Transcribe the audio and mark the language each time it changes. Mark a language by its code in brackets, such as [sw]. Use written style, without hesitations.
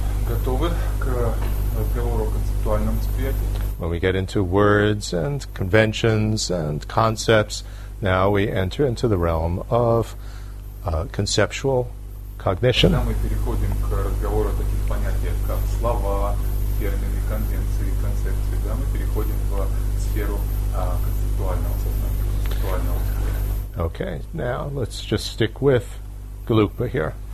[ru] Готовы к разговору о концептуальном восприятии? [en] When we get into words and conventions and concepts, now we enter into the realm of conceptual cognition. [ru] Когда мы переходим к разговору о таких понятиях, как слова, термины, конвенции, концепции, да, мы переходим в сферу концептуального сознания, концептуального восприятия. [en] Okay, now let's just stick with Glupa here.